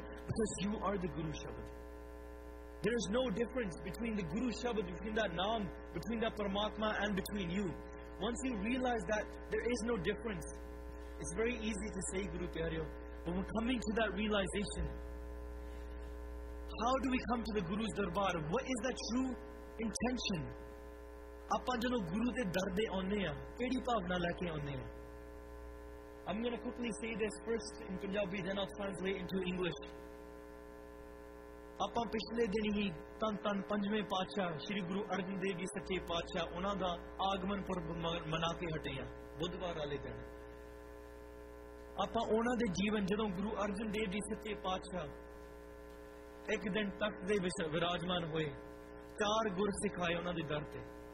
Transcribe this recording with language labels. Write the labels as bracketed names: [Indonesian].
[English] Because you are the Guru Shabad. There is no difference between the Guru Shabad, between that Naam, between that Paramatma, and between you. Once you realize that there is no difference, it's very easy to say, Guru Pyaryo. But when coming to that realization, how do we come to the Guru's Darbar? What is that true intention? [Punjabi] ਆਪਾਂ ਜਦੋਂ ਗੁਰੂ ਦੇ ਦਰ ਦੇ ਆਉਂਦੇ ਹਾਂ ਕਿਹੜੀ ਭਾਵਨਾ ਲੈ ਕੇ ਆਉਂਦੇ ਹਾਂ? [English] I'm going to quickly say this first in Punjabi, then I'll translate into English. [Punjabi] ਆਪਾਂ ਪਿਛਲੇ ਦਿਨ ਹੀ ਧੰਨ ਧੰਨ ਪੰਜਵੇਂ ਪਾਤਸ਼ਾਹ ਸ੍ਰੀ ਗੁਰੂ ਅਰਜਨ ਦੇਵ ਜੀ ਸੱਚੇ ਪਾਤਸ਼ਾਹ ਉਹਨਾਂ ਦਾ ਆਗਮਨ ਪੁਰਬ ਮਨਾ ਕੇ ਹਟੇ ਹਾਂ ਬੁੱਧਵਾਰ ਵਾਲੇ ਦਿਨ। ਆਪਾਂ ਉਹਨਾਂ ਦੇ ਜੀਵਨ ਜਦੋਂ ਗੁਰੂ ਅਰਜਨ ਦੇਵ ਜੀ ਸੱਚੇ ਪਾਤਸ਼ਾਹ ਇੱਕ ਦਿਨ ਤਖ਼ਤ ਦੇ ਵਿਰਾਜਮਾਨ ਹੋਏ, ਚਾਰ ਗੁਰ ਸਿਖਾਏ ਉਹਨਾਂ ਦੇ ਦਰ ਤੇ।